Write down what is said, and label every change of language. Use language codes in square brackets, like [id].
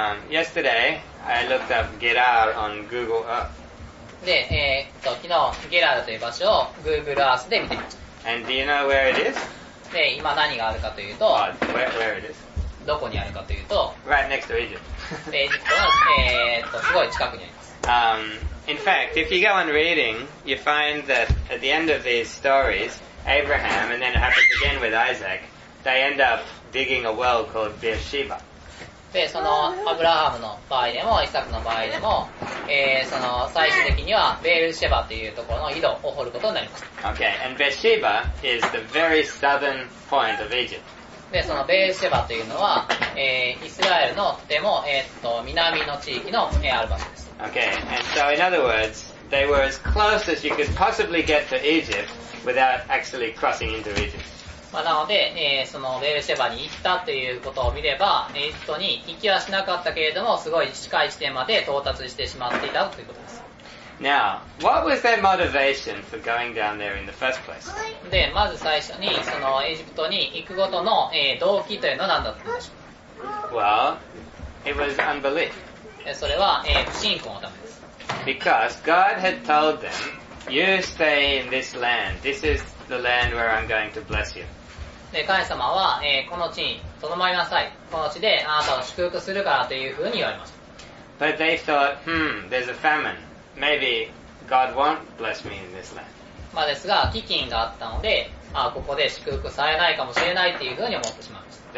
[en] Yesterday, I looked up Gerar on Google Earth. [ja] で、昨日、ゲラルという場所を Google Earth で見てみました。 [en] And do you know where it is? [ja] で、今何があるかというと、 [en] where it is? [ja] どこにあるかというと、 [en] right next to Egypt. [ja] で、エジプトの、すごい近くにあります。 [en] In fact, if you go on reading, you find that at the end of these stories, Abraham, and then it happens again with Isaac, they end up digging a well called Beersheba. [ja] で、そのアブラハムの場合でも、イサクの場合でも、その最終的にはベールシェバというところの井戸を掘ることになります。 [en] Okay, and Beersheba is the very southern point of Egypt. [ja] で、そのベールシェバというのは、イスラエルのとても、南の地域の、ある場所です。 [en] Okay, and so in other words, they were as close as you could possibly get to Egypt without actually crossing into Egypt. [ja] まあなので、そのベルシェバに行ったということを見れば、エジプトに行きはしなかったけれども、すごい近い地点まで到達してしまっていたということです。 [en] Now, what was their motivation for going down there in the first place? [ja] で、まず最初に、そのエジプトに行くことの、動機というのは何だったんでしょう? [en] Well, it was unbelief. [ja] それは、不信仰のためです。 [en] Because God had told them, you stay in this land. This is the land where I'm going to bless you. [ja] で、神様は、この地にとどまりなさい。この地であなたを祝福するからというふうに言われました。 [en] But they thought, there's a famine. Maybe God won't bless me in this land. [ja] まあですが、飢饉があったので、ここで祝福されないかもしれないというふうに思ってしまいました。